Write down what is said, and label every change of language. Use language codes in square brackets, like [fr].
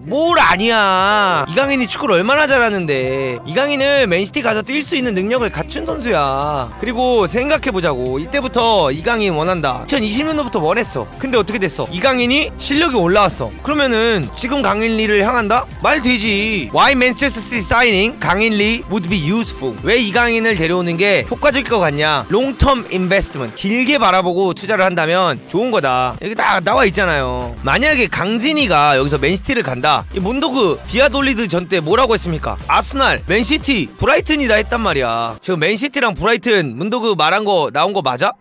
[ko] 뭘 아니야. 이강인이 축구를 얼마나 잘하는데. 이강인은 맨시티 가서 뛸 수 있는 능력을 갖춘 선수야. 그리고 생각해보자고. 이때부터 이강인 원한다. 2020년도부터 원했어. 근데 어떻게 됐어? 이강인이 실력이 올라왔어. 그러면은 지금 강인리를 향한다? 말 되지. [en] Why Manchester City signing 강인리 would be useful? [ko] 왜 이강인을 데려오는 게 효과적일 것 같냐? [en] Long term investment. [ko] 길게 바라보고 투자를 한다면 좋은 거다. 여기 다 나와 있잖아요. 만약에 강진이가 여기서 맨시티를 간다. 이 문도그 비아돌리드 전 때 뭐라고 했습니까? 아스날, 맨시티, 브라이튼이다 했단 말이야. 지금 맨시티랑 브라이튼 문도그 말한 거 나온 거 맞아?